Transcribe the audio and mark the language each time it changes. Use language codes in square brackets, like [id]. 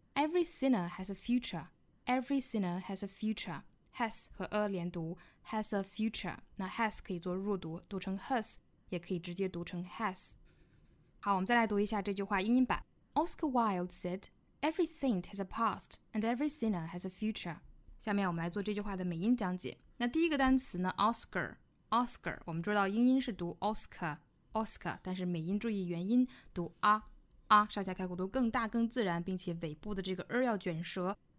[en] Every sinner has a future. Every sinner has a future. Has [zh] 和 连读 [en] ，has a future. [zh] 那 has 可以做弱读，读成 has， 也可以直接读成 has。好，我们再来读一下这句话英音版。 [en] Oscar Wilde said, "Every saint has a past, and every sinner has a future." [zh] 下面我们来做这句话的美音讲解。那第一个单词呢 ，Oscar， 我们知道英音是读 Oscar。 Oscar， 但是美音注意元音读 啊上下开口度更大更自然，并且尾部的这个要卷舌。